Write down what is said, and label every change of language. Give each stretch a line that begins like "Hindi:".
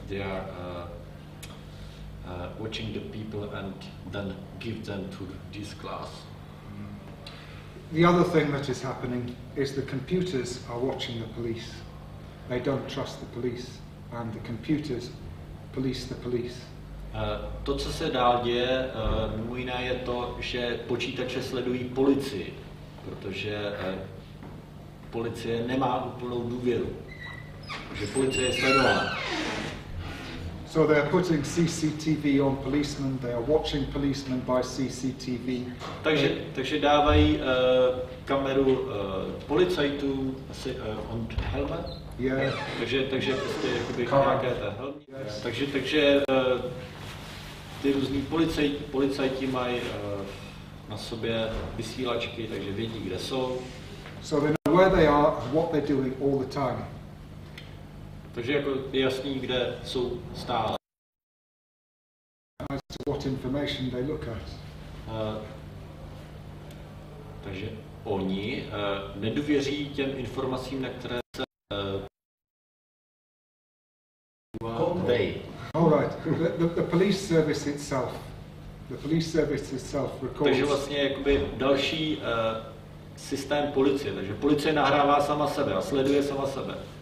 English: They are watching the people and then give them to this class. The other thing that is happening is the computers are watching the police. They don't trust the police, and the computers police the police.
Czech: To, co se dál děje, mimo jiné je to, že počítače sledují policii, protože policie nemá úplnou důvěru, že policie je sledovaná.
English: So they are putting CCTV on policemen, they are watching policemen by CCTV.
Czech: Takže dávají kameru policajtům asi
English: on helmet. Yeah.
Czech: Takže prostě jakoby nějaké ta helmet.
English: Yes.
Czech: Takže ty různý policajti mají na sobě vysílačky, takže vědí, kde jsou.
English: So they know where they are and what they're doing all the time.
Czech: Takže jako je jasný, kde jsou stále.
English: As to what information they look at.
Czech: Takže oni nedůvěří těm informacím, na které se they.
English: All right. The police service itself. The police service itself records.
Czech: Takže vlastně jakoby další systém policie, takže policie nahrává sama sebe a sleduje sama sebe.